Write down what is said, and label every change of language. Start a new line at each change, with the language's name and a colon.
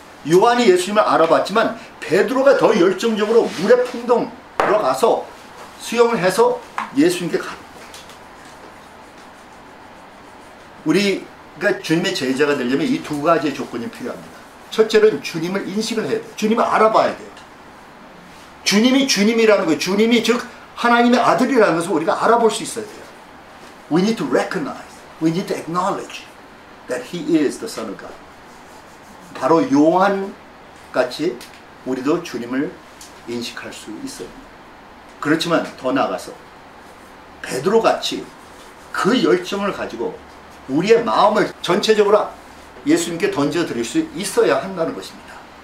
Korean: 요한이 예수님을 알아봤지만 베드로가 더 열정적으로 물에 풍덩 들어가서 수영을 해서 예수님께 갔고 우리가 주님의 제자가 되려면 이 두 가지의 조건이 필요합니다. 첫째는 주님을 인식을 해야 돼요. 주님을 알아봐야 돼요. 주님이 주님이라는 거예요. 주님이 즉 하나님의 아들이라는 것을 우리가 알아볼 수 있어야 돼요.
English: We need to recognize, we need to acknowledge that he is the Son of God.
Korean: 바로 요한같이 우리도 주님을 인식할 수 있어요. 그렇지만 더 나아가서 베드로같이 그 열정을 가지고 우리의 마음을 전체적으로 예수님께 던져드릴 수 있어야 한다는 것입니다.